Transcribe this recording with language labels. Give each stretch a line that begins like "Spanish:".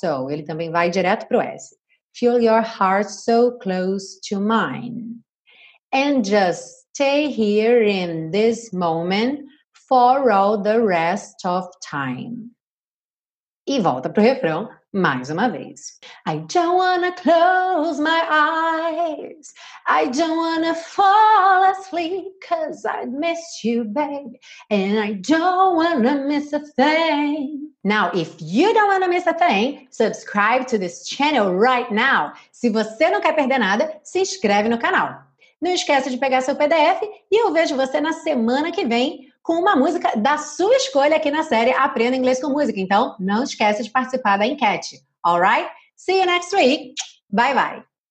Portuguese: Ele também vai direto pro S.
English: Feel your heart so close to mine. and just stay here in this moment for all the rest of time.
Portuguese: E volta pro refrão mais uma vez.
English: I don't wanna close my eyes. I don't wanna fall asleep, 'cause I'd miss you, babe. And I don't wanna miss a thing. Now, if you don't wanna miss a thing, subscribe to this channel right now.
Portuguese: Se você não quer perder nada, se inscreve no canal. Não esquece de pegar seu PDF e eu vejo você na semana que vem com uma música da sua escolha aqui na série Aprenda Inglês com Música. Então, não esquece de participar da enquete.
English: Alright? See you next week. Bye, bye.